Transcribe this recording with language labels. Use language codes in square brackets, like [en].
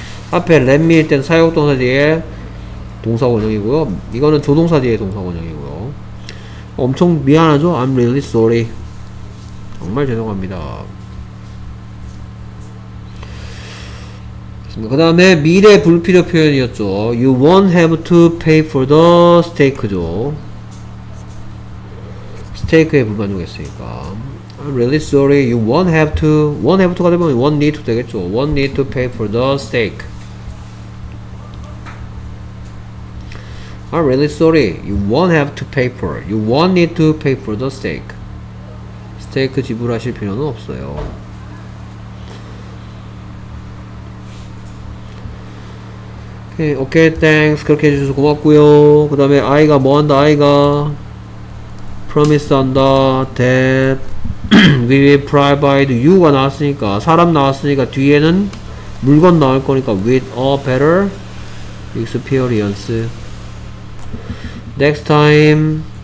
[ko] 앞에 let me일 땐 사역동사 뒤에 동사 원형이고요. 이거는 조동사 뒤에 동사 원형이고요. 엄청 미안하죠? [en] I'm really sorry. [ko] 정말 죄송합니다. 그 다음에 미래 불필요 표현이었죠. [en] You won't have to pay for the steak죠. [ko] 스테이크에 불만족했으니까. [en] I'm really sorry. You won't have to. Won't have to [ko] 가 되면 [en] won't need to [ko] 되겠죠. [en] Won't need to pay for the steak. I'm really sorry. You won't have to pay for. You won't need to pay for the steak. [ko] 스테이크 지불하실 필요는 없어요. [en] 오케이, okay, thanks. [ko] 그렇게 해주셔서 고맙고요. 그 다음에 아이가 뭐 한다? 아이가 promise 한다. [en] That we will provide you가 [ko] 나왔으니까 사람 나왔으니까 뒤에는 물건 나올 거니까 [en] with a better experience. Next time